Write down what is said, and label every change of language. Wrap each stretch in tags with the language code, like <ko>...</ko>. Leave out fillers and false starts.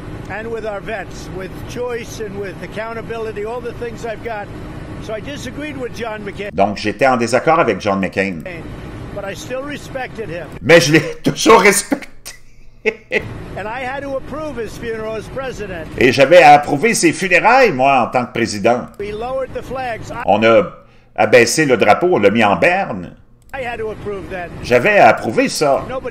<en>And with our vets, with choice and with accountability, all the things I've got. So I disagreed with John McCain.</en> <fr>Donc j'étais en désaccord avec John McCain.</fr> <en>But I still respected him.</en> <fr>Mais je l'ai toujours respecté.</fr> <en>And I had to approve his funeral as president.</en> <fr>Et j'avais à approuver ses funérailles, moi, en tant que président.</fr> <en>We lowered the flags.</en> <fr>On a abaissé le drapeau, on l'a mis en berne. J'avais à approuver ça.</fr>